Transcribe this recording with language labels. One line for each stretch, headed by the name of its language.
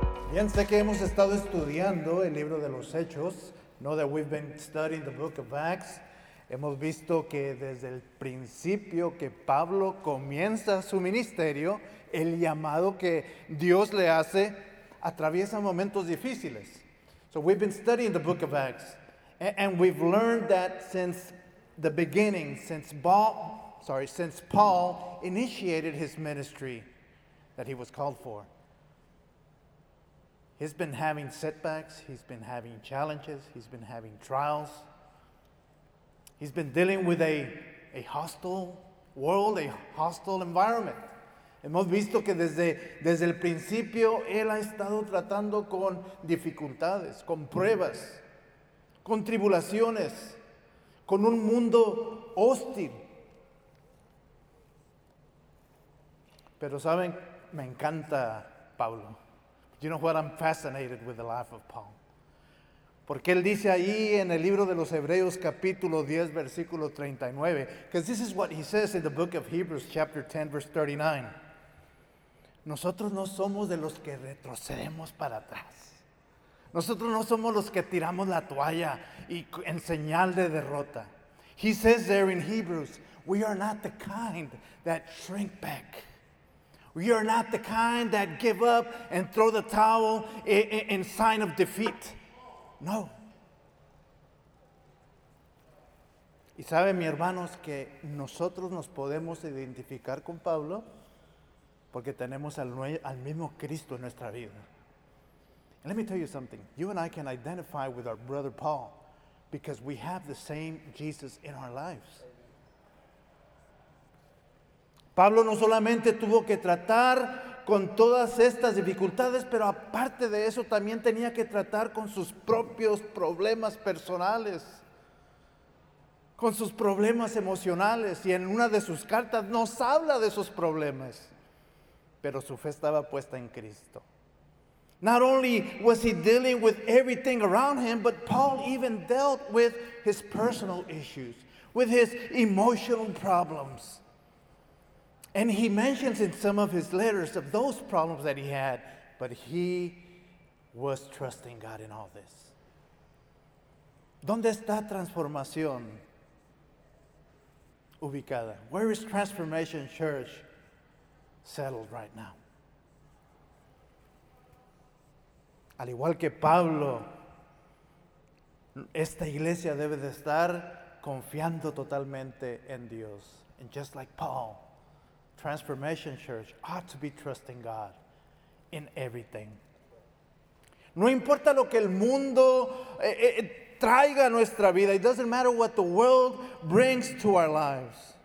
Spanish: Fíjense que hemos estado estudiando el libro de los Hechos.
English: Know that we've been studying the book of Acts.
Spanish: Hemos visto que desde el principio que Pablo comienza su ministerio, el llamado que Dios le hace atraviesa momentos difíciles.
English: So we've been studying the book of Acts. And we've learned that since the beginning, since Paul initiated his ministry that he was called for, he's been having setbacks, he's been having challenges, he's been having trials. He's been dealing with a hostile world, a hostile environment.
Spanish: Hemos visto que desde el principio él ha estado tratando con dificultades, con pruebas, con tribulaciones, con un mundo hostil. Pero saben, me encanta Pablo.
English: You know what? I'm fascinated with the life of Paul.
Spanish: Porque él dice ahí en el libro de los Hebreos, capítulo 10, versículo 39.
English: Because this is what he says in the book of Hebrews, chapter 10, verse 39.
Spanish: Nosotros no somos de los que retrocedemos para atrás. Nosotros no somos los que tiramos la toalla y en señal de derrota.
English: He says there in Hebrews, we are not the kind that shrink back. We are not the kind that give up and throw the towel in sign of defeat.
Spanish: No. Y saben, mis hermanos, que nosotros nos podemos identificar con Pablo porque tenemos al mismo Cristo en nuestra vida.
English: And let me tell you something. You and I can identify with our brother Paul because we have the same Jesus in our lives.
Spanish: Pablo no solamente tuvo que tratar con todas estas dificultades, pero aparte de eso también tenía que tratar con sus propios problemas personales, con sus problemas emocionales. Y en una de sus cartas nos habla de esos problemas, pero su fe estaba puesta en Cristo.
English: Not only was he dealing with everything around him, but Paul even dealt with his personal issues, with his emotional problems. And he mentions in some of his letters of those problems that he had, but he was trusting God in all this.
Spanish: ¿Dónde está transformación ubicada?
English: Where is Transformation Church settled right now?
Spanish: Al igual que Pablo, esta iglesia debe de estar confiando totalmente en Dios.
English: And just like Paul, Transformation Church ought to be trusting God in everything.
Spanish: No importa lo que el mundo traiga a nuestra vida.
English: It doesn't matter what the world brings to our lives.